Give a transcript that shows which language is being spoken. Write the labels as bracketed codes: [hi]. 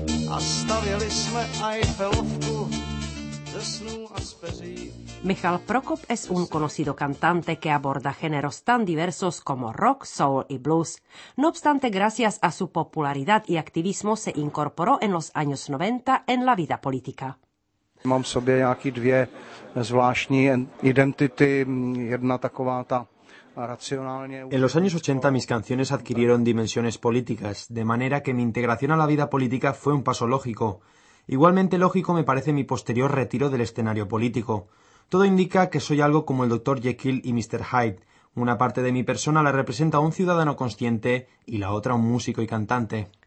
[cs] A stavěli jsme Eiffelovku ze snů a z peří. [es] Michal Prokop es un conocido cantante que aborda géneros tan diversos como rock, soul y blues. No obstante, gracias a su popularidad y activismo, se incorporó en los años 90 en la vida política. [cs] Mám sobě nějaký dvě zvláštní identity, jedna taková ta. [es] En los años 80 mis canciones adquirieron dimensiones políticas, de manera que mi integración a la vida política fue un paso lógico. Igualmente lógico me parece mi posterior retiro del escenario político. Todo indica que soy algo como el Dr. Jekyll y Mr. Hyde. Una parte de mi persona la representa un ciudadano consciente y la otra un músico y cantante.